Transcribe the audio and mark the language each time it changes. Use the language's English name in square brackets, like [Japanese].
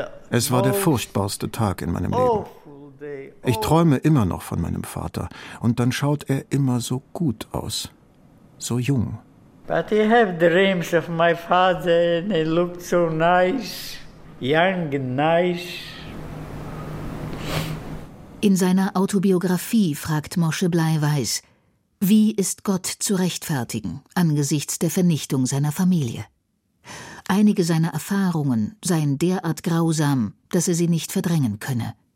[German] Es war der furchtbarste Tag in meinem Leben. Ich träume immer noch von meinem Vater. Und dann schaut er immer so gut aus, so jung. [English] But I have dreams of my father and he looked so nice, young, nice. [German] In seiner Autobiografie fragt Moshe Bleiweis, wie ist Gott zu rechtfertigen angesichts der Vernichtung seiner Familie? Einige seiner Erfahrungen seien derart grausam, dass er sie nicht verdrängen könne.